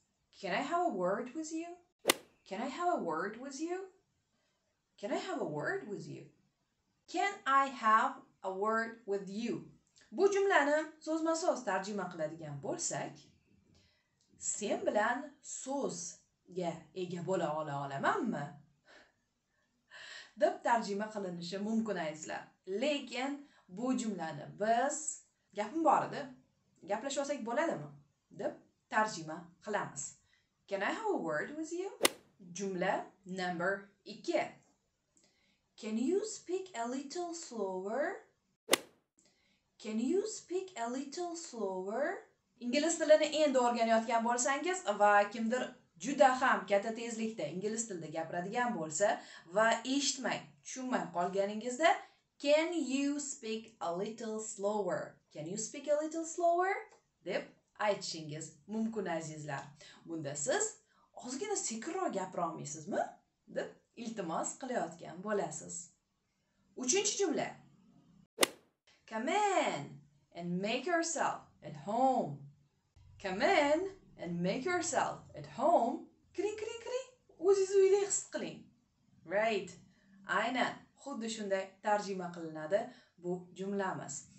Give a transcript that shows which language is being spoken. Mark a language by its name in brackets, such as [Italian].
[English] Can I have a word with you? Can I have a word with you? Can I have a word with you? Can I have a word with you? [Uzbek] Bu jumlani so'zma-so'z tarjima qiladigan bo'lsak, sen bilan so'zga ega bo'la olamanmi? deb tarjima qilinishi mumkin aytsizlar. Lekin bu jumlani biz gapim bor-da, gaplashib olsak bo'ladimi? Deb tarjima qilamiz. [English] Can I have a word with you? Jumla number 2. Can you speak a little slower? Can you speak a little slower? [Uzbek] Ingliz tilini endi o'rganayotgan bo'lsangiz va kimdir juda ham katta tezlikda ingliz tilida gapiradigan bo'lsa va eshitmay, tushunmay qolganingizda Can you speak a little slower? [English] Can you speak a little slower? [Uzbek] deb aytishingiz mumkin azizlar. Bunda siz ozgina sekinroq gapira olmaysizmi? deb iltimos qilayotgan bo'lasiz. 3-chi jumla. [English] Come in and make yourself at home. Come in and make yourself at home. Kiring, kiring, kiring. [Uzbek] O'zingiz uyda his qiling. Right. Aynan. Xuddi shunday tarjima qilinadi bu jumlamiz.